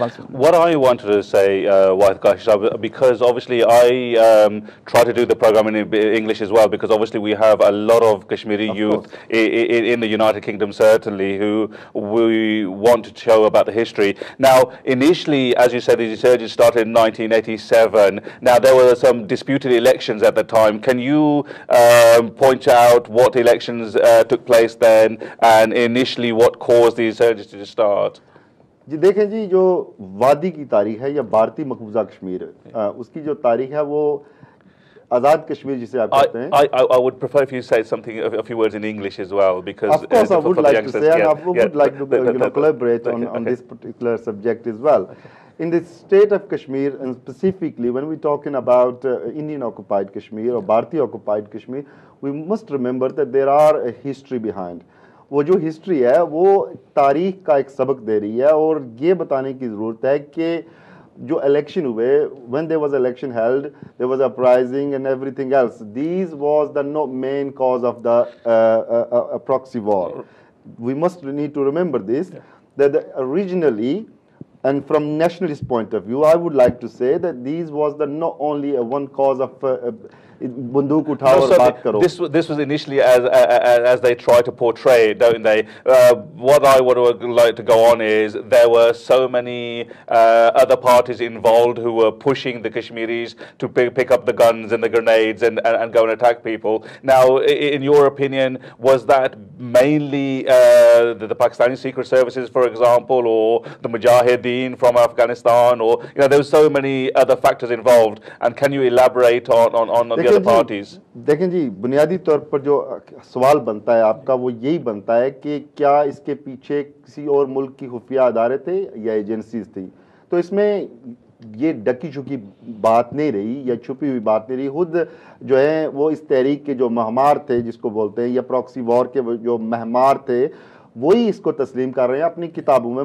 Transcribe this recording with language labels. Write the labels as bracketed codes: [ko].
[en] What I wanted to say, because obviously I try to do the program in English as well, because obviously we have a lot of Kashmiri youth in the United Kingdom certainly who we want to show about the history. Now initially, as you said, the insurgency started in 1987. Now there were some disputed elections at the time. Can you point out what elections took place then, and initially what caused the insurgency to start? [ur] جی دیکھیں جی, جو وادی کی تاریخ ہے یا بھارتی مقبوضہ کشمیر, اس کی جو تاریخ ہے وہ آزاد کشمیر جسے آپ کہتے ہیں. [en] I would prefer if you say something, a few words in English as well, because of course I would like to say, and I would like to collaborate on this particular subject as well. In the state of Kashmir, and specifically when we're talking about Indian-occupied Kashmir or Bharati-occupied Kashmir, we must remember that there are a history behind. [ur] وہ جو history ہے وہ تاریخ کا ایک سبق دے رہی ہے, اور یہ بتانے کی ضرورت ہے کہ جو الیکشن ہوئے, [en] when there was election held, there was uprising and everything else. These was the main cause of the proxy war. We must need to remember this, that originally, and from nationalist point of view, I would like to say that these was the not only a one cause of [ur] بندوق اٹھاؤ اور بات کرو. [en] This was initially as they try to portray, don't they? What I would like to go on is there were so many other parties involved who were pushing the Kashmiris to pick up the guns and the grenades and go and attack people. Now, in your opinion, was that mainly the Pakistani secret services, for example, or the Mujahideen from Afghanistan, or you know, there were so many other factors involved, and can you elaborate on the other parties? [ur] دیکھیں جی, بنیادی طور پر جو سوال بنتا ہے آپ کا وہ یہی بنتا ہے کہ کیا اس کے پیچھے کسی اور ملک کی خفیہ ادارے تھے یا ایجنسیز تھیں؟ تو اس میں یہ ڈکی چھکی بات نہیں رہی یا چھپی ہوئی بات نہیں رہی. خود جو ہیں وہ اس تحریک کے جو مہمار تھے جس کو بولتے ہیں, یا پراکسی وار کے جو مہمار تھے, وہی اس کو تسلیم کر رہے ہیں اپنی کتابوں میں.